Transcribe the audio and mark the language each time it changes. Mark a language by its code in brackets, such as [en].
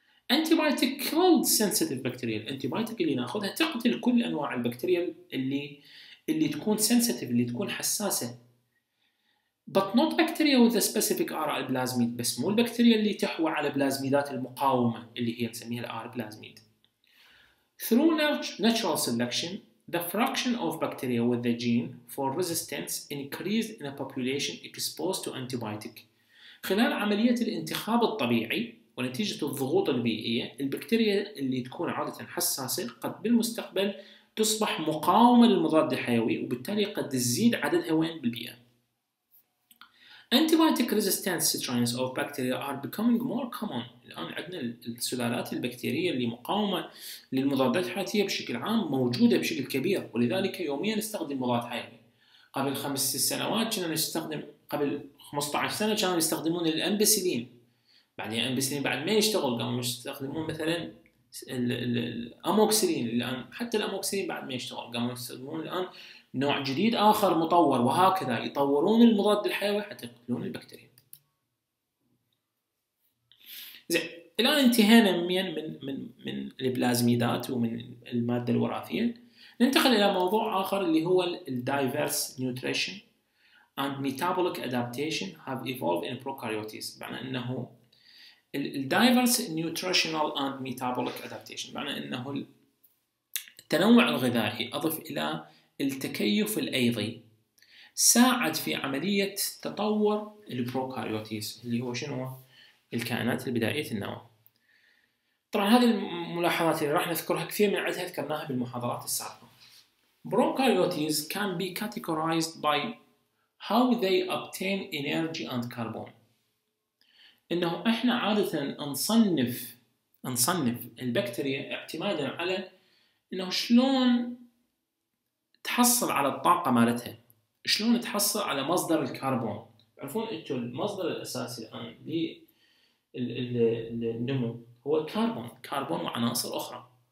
[en] antibiotic cold sensitive bacteria, [ar] الانتيبايتيك اللي ناخذها تقتل كل انواع البكتيريا اللي تكون سنسيتيف اللي تكون حساسه. [en] But not bacteria with a specific R plasmid, [ar] بس مو البكتيريا اللي تحوى على بلازميدات المقاومه اللي هي نسميها الار بلازميد. [en] Through natural selection, the fraction of bacteria with the gene for resistance increased in a population exposed to antibiotic. [ar] خلال عملية الانتخاب الطبيعي ونتيجة الضغوط البيئية، البكتيريا اللي تكون عادة حساسة قد بالمستقبل تصبح مقاومة للمضاد الحيوي، وبالتالي قد تزيد عددها وين بالبيئة. [en] Antibiotic resistant strains of bacteria are becoming more common. [ar] الآن عندنا السلالات البكتيرية اللي مقاومة للمضادات الحيوية بشكل عام موجودة بشكل كبير، ولذلك يوميا نستخدم مضاد حيوي. قبل 5 سنوات كنا نستخدم، قبل 15 سنة كانوا يستخدمون الأمبسلين، بعدين الأمبسلين بعد ما يشتغل قاموا يستخدمون مثلا الأموكسلين، الآن حتى الأموكسلين بعد ما يشتغل قاموا يستخدمون الآن نوع جديد آخر مطور، وهكذا يطورون المضاد الحيوي حتى يقتلون البكتيريا. زين، الآن انتهينا من من من من البلازميدات ومن المادة الوراثية. ننتقل إلى موضوع آخر اللي هو الـ [en] diverse nutrition and metabolic adaptation have evolved in prokaryotes. [ar] بمعنى أنه الـ [en] diverse nutritional and metabolic adaptation، [ar] بمعنى أنه التنوع الغذائي أضف إلى التكيف الأيضي ساعد في عملية تطور البروكاريوتيز اللي هو شنو؟ الكائنات البدائية النوع. طبعا هذه الملاحظات اللي راح نذكرها كثير من عدها ذكرناها بالمحاضرات السابقة. [en] Prokaryotes can be categorized by how they obtain energy and carbon. [ar] انه احنا عادة نصنف البكتيريا اعتمادا على انه شلون تحصل على الطاقة مالتها، شلون تحصل على مصدر الكربون. عرفون انتو المصدر الاساسي الان للنمو هو الكربون، كربون وعناصر اخرى.